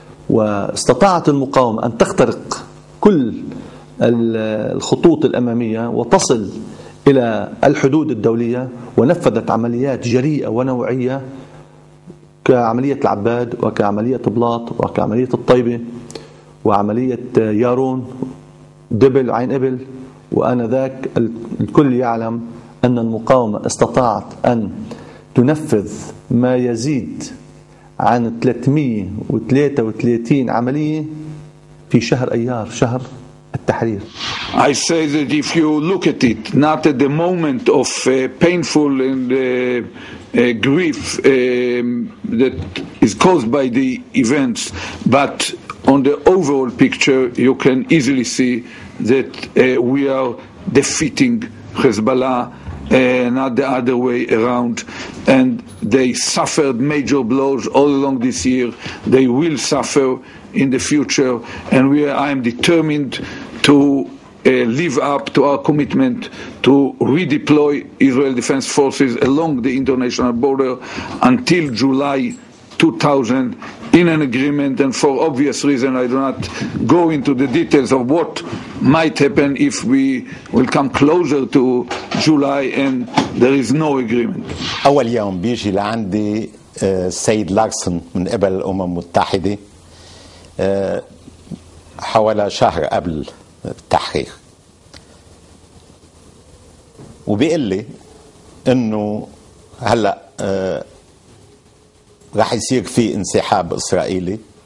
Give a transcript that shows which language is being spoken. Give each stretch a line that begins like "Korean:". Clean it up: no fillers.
Arabic: واستطاعت المقاومة أن تخترق كل الخطوط الأمامية وتصل إلى الحدود الدولية، ونفذت عمليات جريئة ونوعية كعملية العباد وكعملية بلاط وكعملية الطيبة وعملية يارون دبل عين إبل. وآنذاك الكل يعلم أن المقاومة استطاعت أن تنفذ ما يزيد عن 333 عملية في شهر أيار، شهر التحرير.
English: I say that if you look at it not at the moment of painful and grief that is caused by the events but on the overall picture you can easily see that we are defeating Hezbollah. Not the other way around, and they suffered major blows all along this year. They will suffer in the future, and I am determined to live up to our commitment to redeploy Israel Defense Forces along the international border until July 2000 in an agreement, and for obvious reason I do not go into the details of what might happen if we will come closer to July and there is no agreement.
Arabic: أول يوم بيجي لعندي السيد لاكسون من قبل الأمم المتحدة حوالي شهر قبل التحقيق وبيقول لي انه هلا راح يصير في انسحاب اسرائيلي